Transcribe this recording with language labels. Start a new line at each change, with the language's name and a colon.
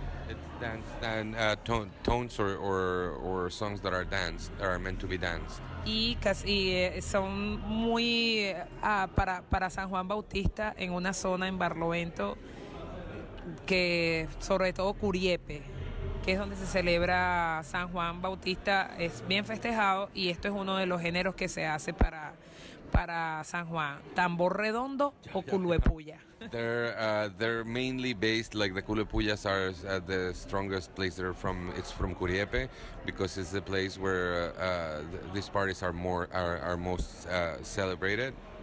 English: It's dance and tones or songs that are danced, that are meant to be danced.
Spanish: Y casi son muy para San Juan Bautista, en una zona en Barlovento, que sobre todo Curiepe, que es donde se celebra San Juan Bautista, es bien festejado, y esto es uno de los géneros que se hace para San Juan: tambor redondo o culuepuya.
English: They're mainly based, like the culuepuyas are the strongest place. They're from, it's from Curiepe, because it's the place where these parties are most celebrated.